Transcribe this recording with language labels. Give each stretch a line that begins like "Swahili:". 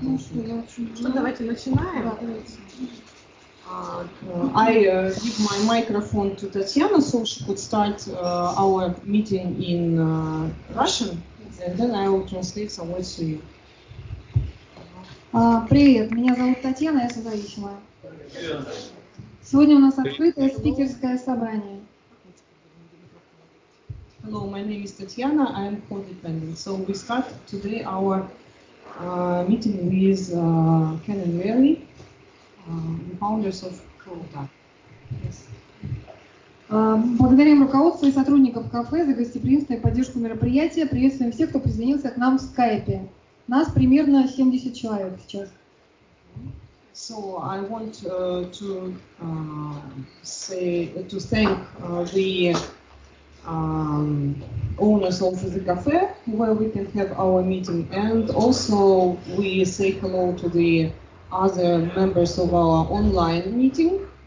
English: I give my microphone to Tatiana so she could start our meeting in Russian, and then I will translate some words to you.
Russian: Привет, меня зовут Татьяна, я созависимая. Сегодня у нас открытое спикерское собрание.
English: Hello, my name is Tatiana. I am codependent. So we start today our meeting with Ken and Mary, the founders of Kota. Yes.
Russian: Благодарим руководство и сотрудников кафе за гостеприимство и поддержку мероприятия. Приветствуем всех, кто присоединился к нам в Скайпе. Нас примерно 70 человек сейчас.
English: So I want to thank the owners of the cafe where we can have our meeting, and also we say hello to the other members of our online meeting.